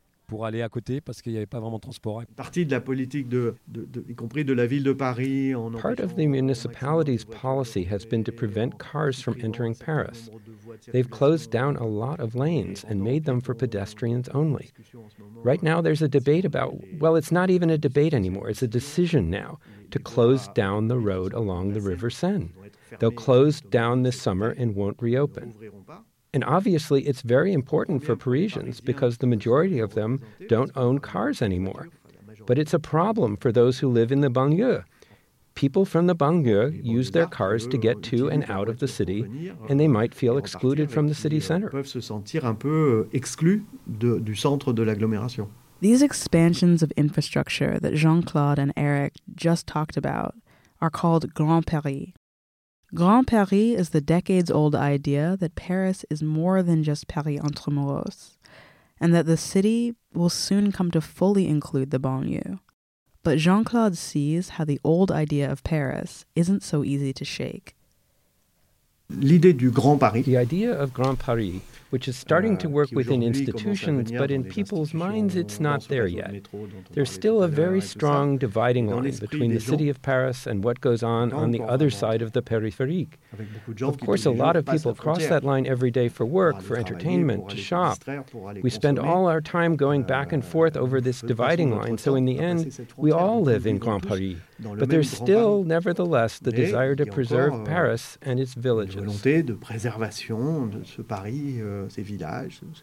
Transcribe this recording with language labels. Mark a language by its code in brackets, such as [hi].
[fr] pour aller à côté parce qu'il n'y avait pas vraiment de transport. Partie de la politique de y compris de la ville de Paris. [en] Part of the municipality's policy has been to prevent cars from entering Paris. They've closed down a lot of lanes and made them for pedestrians only. Right now, there's a debate about, well, it's not even a debate anymore. It's a decision now to close down the road along the River Seine. They'll close down this summer and won't reopen. And obviously, it's very important for Parisians because the majority of them don't own cars anymore. But it's a problem for those who live in the banlieue. People from the banlieue use their cars to get to and out of the city, and they might feel excluded from the city center. [fr] Peuvent se sentir un peu exclus du centre de l'agglomération. [en] These expansions of infrastructure that Jean-Claude and Eric just talked about are called Grand Paris. Grand Paris is the decades-old idea that Paris is more than just Paris Intramuros, and that the city will soon come to fully include the banlieue. But Jean-Claude sees how the old idea of Paris isn't so easy to shake. [fr] L'idée du Grand Paris. [en] The idea of Grand Paris, which is starting to work within institutions, but in people's minds it's not there yet. There's still a very strong dividing line between the city of Paris and what goes on the other side of the périphérique. Of course, a lot of people cross that line every day for work, for entertainment, to shop. We spend all our time going back and forth over this dividing line, so in the end, we all live in Grand Paris. But there's still, nevertheless, the desire to preserve Paris and its villages. [fr] La volonté de préservation de ce Paris, ces villages.